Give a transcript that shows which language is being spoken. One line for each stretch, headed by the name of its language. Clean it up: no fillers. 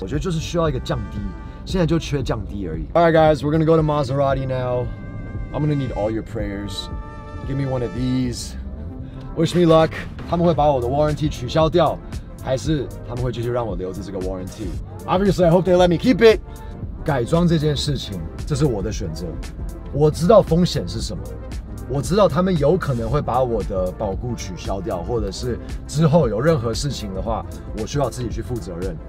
Chinese: 我觉得就是需要一个降低，现在就缺降低而已。
English: Alright guys, we're gonna go to Maserati now. I'm gonna need all your prayers. Give me one of these. Wish me luck.
Chinese: 他们会把我的 warranty 取消掉，还是他们会继续让我留着这个 warranty?
English: Obviously, I hope they let me keep it.
Chinese: 改装这件事情，这是我的选择。我知道风险是什么，我知道他们有可能会把我的保固取消掉，或者是之后有任何事情的话，我需要自己去负责任。